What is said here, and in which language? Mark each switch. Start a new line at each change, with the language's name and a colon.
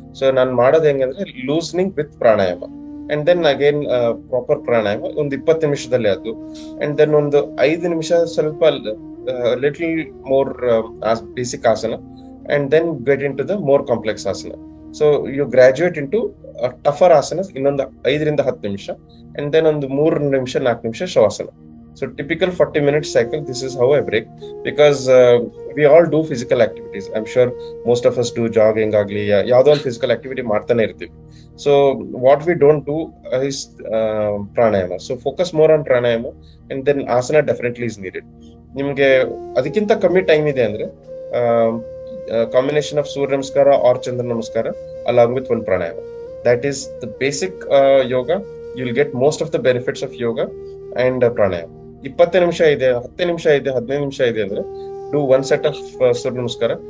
Kannada: So ನಾನು ಮಾಡೋದು ಹೆಂಗಂದ್ರೆ
English: loosening with pranayama, and then again proper pranayama
Kannada: ಒಂದು 20 ನಿಮಿಷದಲ್ಲಿ ಅದು,
English: and then
Kannada: ಒಂದು 5 ನಿಮಿಷ ಸ್ವಲ್ಪ
English: Little more basic asana, and then get into the more complex asana. So you graduate into tougher asana
Kannada: ಇನ್ನೊಂದು 5-10 ನಿಮಿಷ,
English: and then
Kannada: ಒಂದು 3-4 ನಿಮಿಷ
English: Shavasana. So typical 40 minutes cycle, this is how I break, because we all do physical activities. I'm sure most of us do jogging
Kannada: agli yado
English: one physical activity
Kannada: martane irthivi.
English: So what we don't do is pranayama. So focus more on pranayama, and then asana definitely is needed.
Kannada: Nimge adikinta kammi time ide andre
English: combination of surya namaskara or chandra namaskara along with one pranayama, that is the basic yoga. You'll get most of the benefits of yoga and pranayama.
Kannada: 20 ನಿಮಿಷ ಇದೆ, 10 ನಿಮಿಷ ಇದೆ, 15 ನಿಮಿಷ ಇದೆ ಅಂದ್ರೆ
English: Do one set of surya namaskar.